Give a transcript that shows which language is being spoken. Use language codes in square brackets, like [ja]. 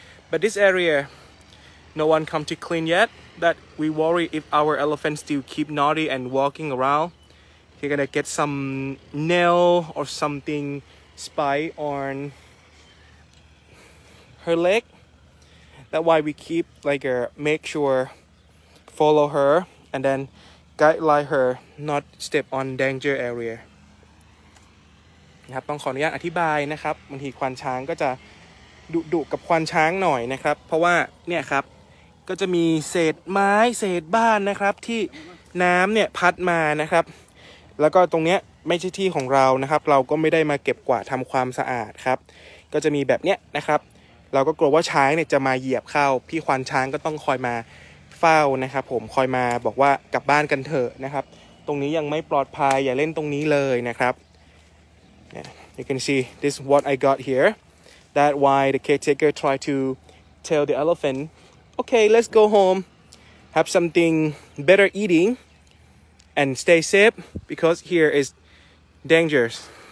[en] But this area, no one come to clean yet. That we worry if our elephant still keep naughty and walking around, he's gonna get some nail or something spy on her leg. That's why we keep like make sure follow her and then guide her not step on danger area. [th] นะครับต้องขออนุญาตอธิบายนะครับบางทีควานช้างก็จะดุดุกับควานช้างหน่อยนะครับเพราะว่าเนี่ยครับก็จะมีเศษไม้เศษบ้านนะครับที่น้ำเนี่ยพัดมานะครับ แล้วก็ตรงเนี้ยไม่ใช่ที่ของเรานะครับเราก็ไม่ได้มาเก็บกวาดทำความสะอาดครับก็จะมีแบบเนี้ยนะครับเราก็กลัวว่าช้างเนี่ยจะมาเหยียบเข้าพี่ควานช้างก็ต้องคอยมาเฝ้านะครับผมคอยมาบอกว่ากลับบ้านกันเถอะนะครับตรงนี้ยังไม่ปลอดภัยอย่าเล่นตรงนี้เลยนะครับ [en] You can see this is what I got here. That why the caretaker try to tell the elephant, okay, let's go home, have something better eating, and stay safe because here is dangerous.